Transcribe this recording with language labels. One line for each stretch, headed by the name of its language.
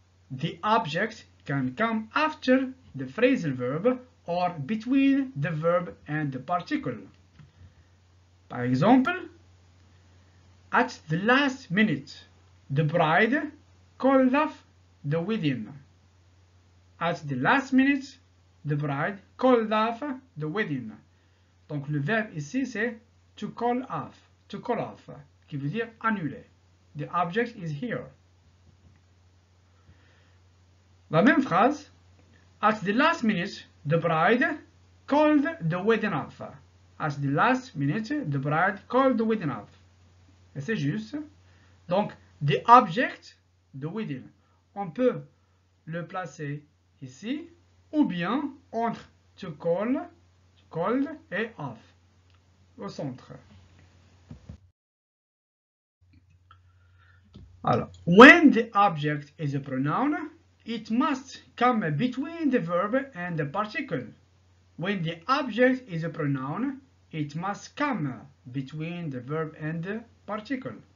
English: The object can come after the phrasal verb or between the verb and the particle.
French: Par exemple,
English: at the last minute, the bride called off the wedding. At the last minute, the bride called off the wedding.
French: Donc le verbe ici c'est to call off.
English: To call off,
French: qui veut dire annuler.
English: The object is here.
French: La même phrase.
English: At the last minute, the bride called the wedding off. At the last minute, the bride called the wedding off.
French: Et c'est juste. Donc,
English: the object, the wedding.
French: On peut le placer ici ou bien entre to call, called et off, au centre. Alors,
English: when the object is a pronoun, it must come between the verb and the particle. When the object is a pronoun, it must come between the verb and the particle.